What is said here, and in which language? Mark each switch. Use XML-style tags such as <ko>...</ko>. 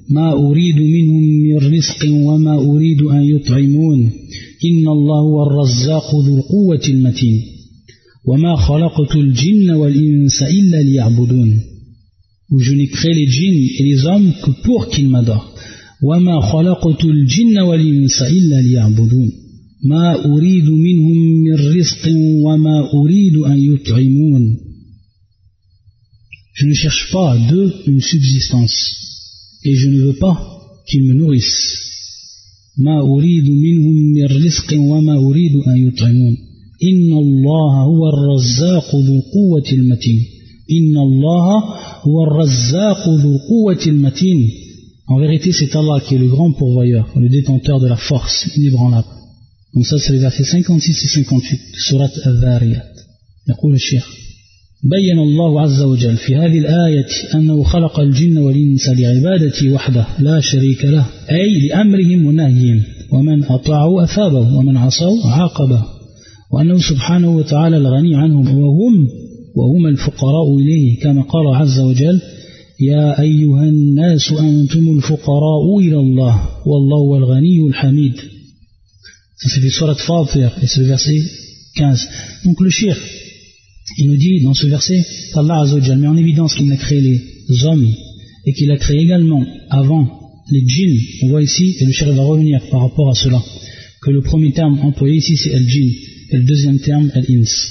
<ar>ما أريد منهم من رزق وما أريد أن يطعمون إن الله هو الرزاق ذو القوة المتين وما خلقت الجن والإنس إلا ليعبدون.</ar> <fr>Je n'ai créé les djinns et les hommes que pour qu'ils m'adorent.</fr> <ar>وما خلقت الجن والإنس إلا ليعبدون ما أريد منهم من رزق وما أريد أن يطعمون.</ar> <fr>Je ne cherche pas d'eux une subsistance et je ne veux pas qu'ils me nourrissent.</fr> <ar>ما أريد منهم من رزق وما أريد أن يطعمون. إن الله هو الرزاق ذو القوة المتين. إن الله هو الرزاق ذو القوة المتين.</ar> <fr>En vérité, c'est Allah qui est le grand pourvoyeur, le détenteur de la force inébranlable. Donc ça, c'est les versets 56 et 58 de Surat Al-Dhariyat.</fr> <ar>يقول الشيخ بين الله عز وجل في هذه الآية أنه خلق الجن والإنس لعبادته وحده لا شريك له أي لأمرهم ونهيهم ومن أطاعوا أثابه ومن عصوا عاقبه وأنه سبحانه وتعالى الغني عنهم وهم الفقراء إليه كما قال عز وجل يا أيها الناس أنتم الفقراء إلى الله والله الغني الحميد.</ar> <fr>C'est</fr> <ar>في سورة فاطر</ar> <fr>et c'est le verset 15. Donc le shir, il nous dit dans ce verset qu'Allah Azzawajal met en évidence qu'il a créé les hommes et qu'il a créé également avant les djinns. On voit ici, et le shir va revenir par rapport à cela, que le premier terme employé ici c'est el-djinn et le deuxième terme el-ins.</fr>